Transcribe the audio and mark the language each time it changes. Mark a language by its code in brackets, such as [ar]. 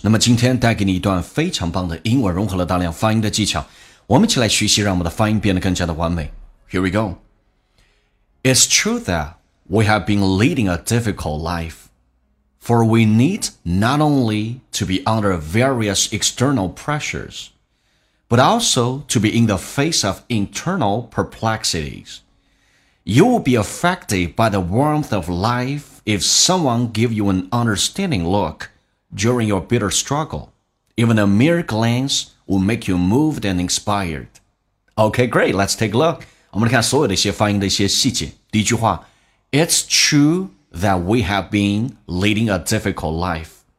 [zh] 那么今天带给你一段非常棒的英文，融合了大量发音的技巧，我们一起来学习，让我们的发音变得更加的完美。 [en] Here we go. It's true that we have been leading a difficult life, for we need not only to be under various external pressures, but also to be in the face of internal perplexities. You will be affected by the warmth of lifeIf someone give you an understanding look during your bitter struggle, even a mere glance will make you moved and inspired. Okay, great. Let's take a look. [zh] 我们来看所有的一些发音的一些细节。第一句话 [en] It's true that we have been leading a difficult life.